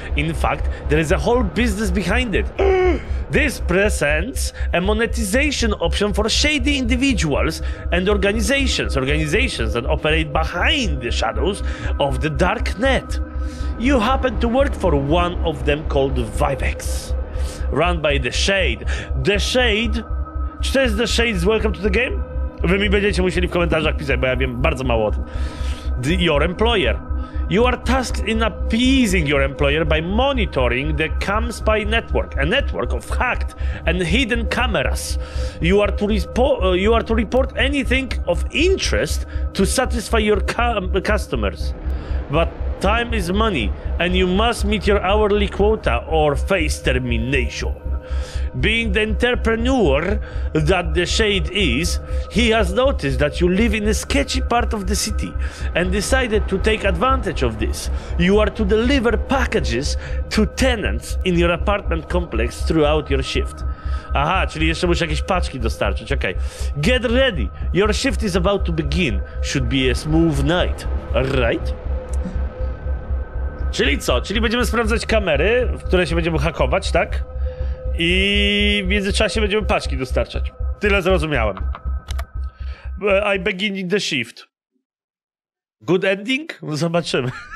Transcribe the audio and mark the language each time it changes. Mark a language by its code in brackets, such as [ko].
[en] In fact, there is a whole business behind it. This presents a monetization option for shady individuals and organizations, organizations that operate behind the shadows of the dark net. You happen to work for one of them called Vivex, run by The Shade. The Shade. [pl] Czy to jest The Shade z Welcome to the Game? Wy mi będziecie musieli w komentarzach pisać, bo ja wiem bardzo mało o tym. [en] Your employer. You are tasked in appeasing your employer by monitoring the CamSpy network, a network of hacked and hidden cameras. You are to report anything of interest to satisfy your customers. But time is money and you must meet your hourly quota or face termination. Being the entrepreneur that The Shade is, he has noticed that you live in a sketchy part of the city and decided to take advantage of this. You are to deliver packages to tenants in your apartment complex throughout your shift. [pl] Aha, czyli jeszcze muszę jakieś paczki dostarczyć, okej. [en] Get ready, your shift is about to begin. Should be a smooth night, right? [pl] Czyli co? Czyli będziemy sprawdzać kamery, w które się będziemy hakować, tak? I w międzyczasie będziemy paczki dostarczać. Tyle zrozumiałem. [en] I begin the shift. Good ending? [pl] Zobaczymy.